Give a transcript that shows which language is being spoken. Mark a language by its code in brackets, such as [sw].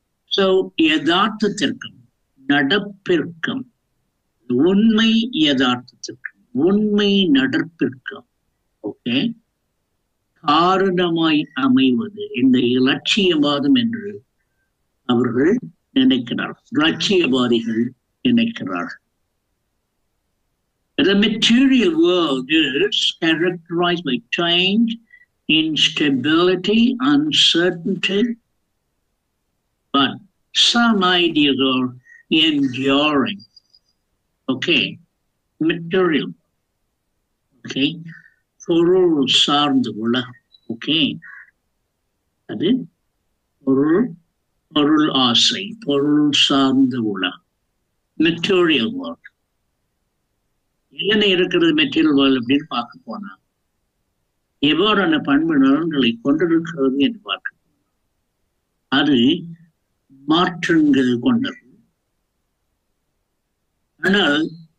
[ta] So யதார்த்தத்திற்கும் நடப்பிற்கும் உண்மை, யதார்த்தத்திற்கும் உண்மை நடப்பிற்கும் காரணமாய் அமைவது இந்த இலட்சியவாதம் என்று அவர்கள் நினைக்கிறார்கள், இலட்சியவாதிகள் நினைக்கிறார்கள். [en] The material world is characterized by change, instability, uncertainty, but some ideas are enduring. Material. [ta] பொருள் சார்ந்த உலகம், அது பொருள், பொருள் ஆசை, பொருள் சார்ந்த உலகம், மெட்டீரியல் வேர்ல்ட். என்ன இருக்கிறது மெட்டீரியல் வேர்ல்ட் அப்படின்னு பார்க்க போனா, எவ்வாறான பண்பு நலன்களை கொண்டிருக்கிறது என்று பார்க்க போனா, அது மாற்றங்கள் கொண்டது. ஆனால்